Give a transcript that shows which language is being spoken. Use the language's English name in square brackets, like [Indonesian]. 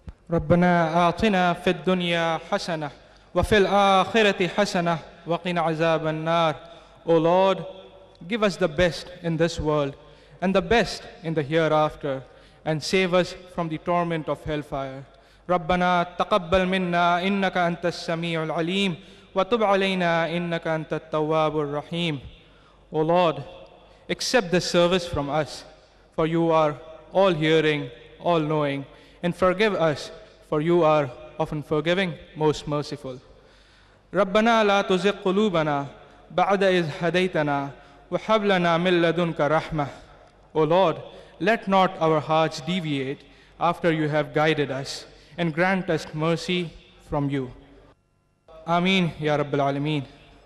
[Arabic] ربنا آتنا في الدنيا حسنة وفي الآخرة حسنة وقنا عذاب النار. [English] O Lord, give us the best in this world and the best in the hereafter, and save us from the torment of hellfire. [Arabic] ربنا تقبل منا إنك أنت السميع العليم وتب علينا إنك أنت التواب الرحيم. [English] O Lord, accept this service from us, for you are all hearing, all knowing, and forgive us, for you are often forgiving, most merciful. [Arabic] ربنا لا تزغ قلوبنا بعد إذ هديتنا وهب لنا من لدنك رحمة. [English] O Lord, let not our hearts deviate after you have guided us, and grant us mercy from you. [Arabic] Ameen, Ya Rabbil Alameen.